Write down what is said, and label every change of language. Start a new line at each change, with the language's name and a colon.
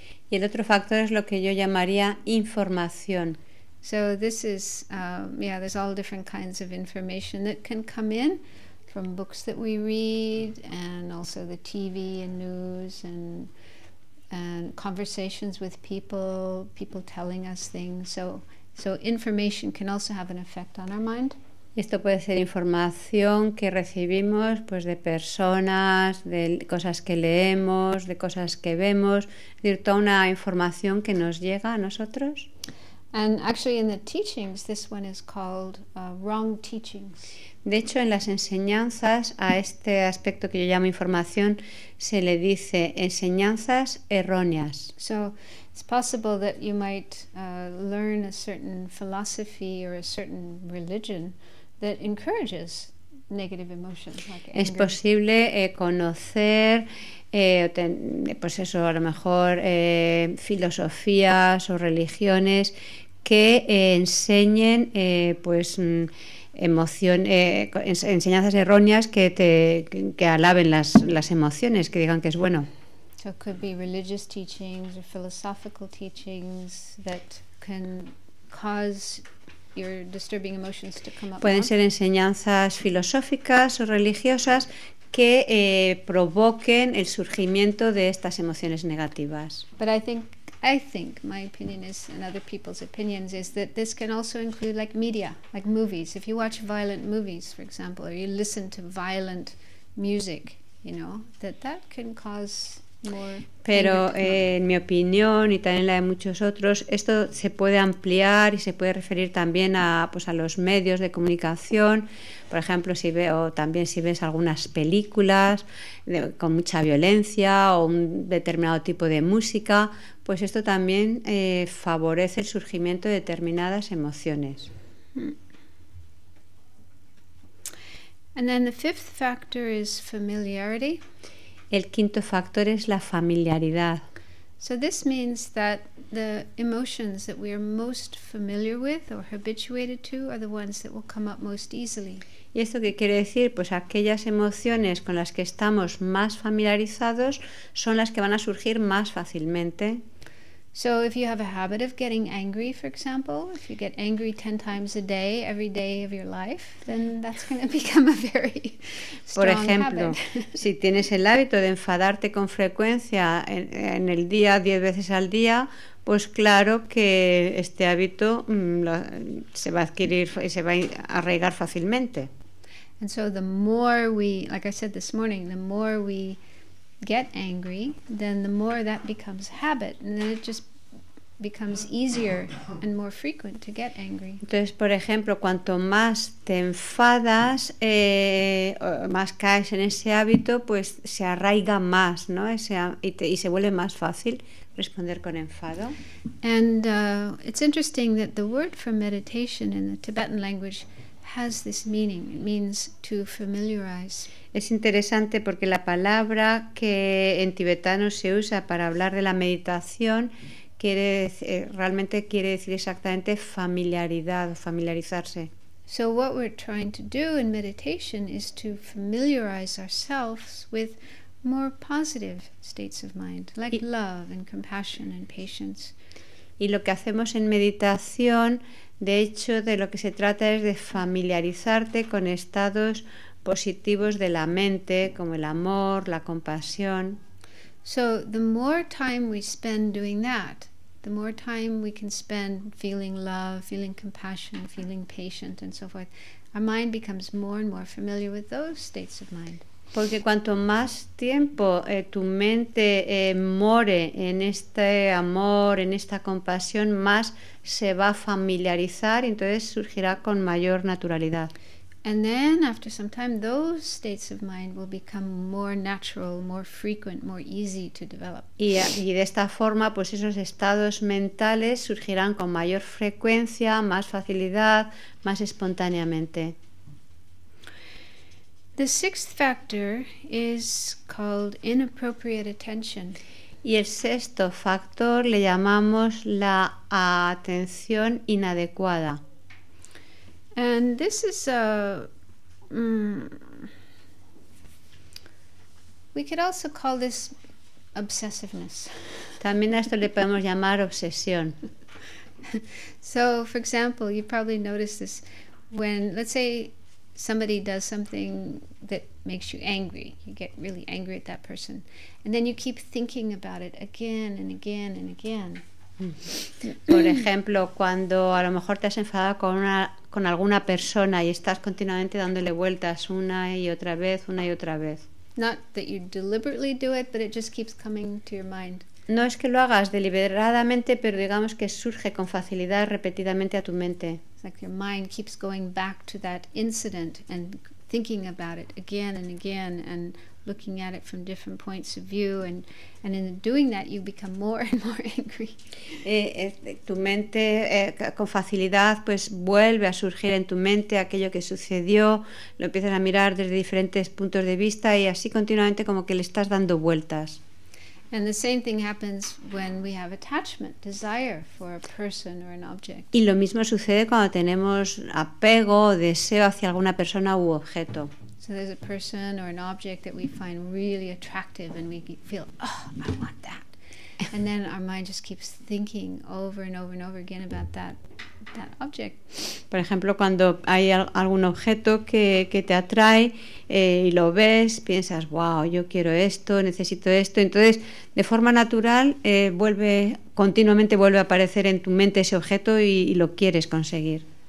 Spanish: Y el otro factor es lo que yo llamaría información.
English: So this is there's all different kinds of information that can come in from books that we read and also the TV and news and conversations with people telling us things. So information can also have an effect on our mind.
Spanish: Esto puede ser información que recibimos pues de personas, de cosas que leemos, de cosas que vemos, es decir, toda una información que nos llega a nosotros.
English: And actually in the teachings this one is called wrong teachings.
Spanish: De hecho en las enseñanzas a este aspecto que yo llamo información se le dice enseñanzas erróneas.
English: So it's possible that you might learn a certain philosophy or a certain religion that encourages negative emotions like anger.
Spanish: Es posible conocer filosofías o religiones que enseñen enseñanzas erróneas que alaben las emociones, que digan que es bueno.
English: So it could be religious teachings or philosophical teachings that can cause your disturbing emotions to come up.
Spanish: Pueden ser enseñanzas filosóficas o religiosas que provoquen el surgimiento de estas emociones negativas.
English: But I think my opinion is, and other people's opinions is, that this can also include like media, like movies. If you watch violent movies, for example, or you listen to violent music, that can cause more.
Spanish: Pero en mi opinión y también la de muchos otros, esto se puede ampliar y se puede referir también a los medios de comunicación. Por ejemplo, si ves algunas películas con mucha violencia o un determinado tipo de música, pues esto también favorece el surgimiento de determinadas emociones.
English: And then the fifth factor is familiarity.
Spanish: El quinto factor es la familiaridad.
English: So this means that the emotions that we are most familiar with or habituated to are the ones that will come up most easily.
Spanish: ¿Y esto qué quiere decir? Pues aquellas emociones con las que estamos más familiarizados son las que van a surgir más fácilmente.
English: So if you have a habit of getting angry, for example, if you get angry 10 times a day, every day of your life, then that's going to become a very strong habit.
Spanish: Por ejemplo, si tienes el hábito de enfadarte con frecuencia en el día 10 veces al día, pues claro que este hábito se va a adquirir y se va a arraigar fácilmente.
English: And so the more we, like I said this morning, the more we get angry, then the more that becomes habit, and then it just becomes easier and more frequent to get angry.
Spanish: Entonces, por ejemplo, cuanto más te enfadas, más caes en ese hábito, pues se arraiga más, ¿no? Y se vuelve más fácil responder con enfado.
English: And it's interesting that the word for meditation in the Tibetan language has this meaning. It means to familiarize.
Spanish: Es interesante porque la palabra que en tibetano se usa para hablar de la meditación quiere decir exactamente familiaridad, familiarizarse.
English: So what we're trying to do in meditation is to familiarize ourselves with more positive states of mind, like love and compassion and patience.
Spanish: Y lo que hacemos en meditación, de hecho, de lo que se trata es de familiarizarte con estados positivos de la mente, como el amor, la compasión.
English: So the more time we spend doing that, the more time we can spend feeling love, feeling compassion, feeling patient, and so forth, our mind becomes more and more familiar with those states of mind.
Spanish: Porque cuanto más tiempo tu mente more en este amor, en esta compasión, más se va a familiarizar y entonces surgirá con mayor naturalidad.
English: And then after some time those states of mind will become more natural, more frequent, more easy to develop.
Spanish: Y de esta forma pues esos estados mentales surgirán con mayor frecuencia, más facilidad, más espontáneamente.
English: The sixth factor is called inappropriate attention.
Spanish: Y el sexto factor le llamamos la atención inadecuada.
English: And this is a we could also call this obsessiveness.
Spanish: También a esto le podemos llamar obsesión.
English: So, for example, you probably noticed this when, let's say, somebody does something that makes you angry. You get really angry at that person, and then you keep thinking about it again and again and again.
Spanish: Por ejemplo, cuando a lo mejor te has enfadado con alguna persona y estás continuamente dándole vueltas una y otra vez.
English: Not that you deliberately do it, but it just keeps coming to your mind.
Spanish: No es que lo hagas deliberadamente, pero digamos que surge con facilidad repetidamente a tu mente.
English: It's like your mind keeps going back to that incident and thinking about it again and again and looking at it from different points of view, and in doing that you become more and more angry.
Spanish: Tu mente con facilidad pues vuelve a surgir en tu mente aquello que sucedió, lo empiezas a mirar desde diferentes puntos de vista y así continuamente como que le estás dando vueltas.
English: And the same thing happens when we have attachment, desire for a person or an object.
Spanish: Y lo mismo sucede cuando tenemos apego o deseo hacia alguna persona u objeto.
English: So there's a person or an object that we find really attractive and we feel, oh, I want that. And then our mind just keeps thinking over and over and over again about that object.
Spanish: Por ejemplo, cuando hay algún objeto que te atrae y lo ves, piensas, wow, yo quiero esto, necesito esto. Entonces, de forma natural, continuamente vuelve a aparecer en tu mente ese objeto y lo quieres conseguir.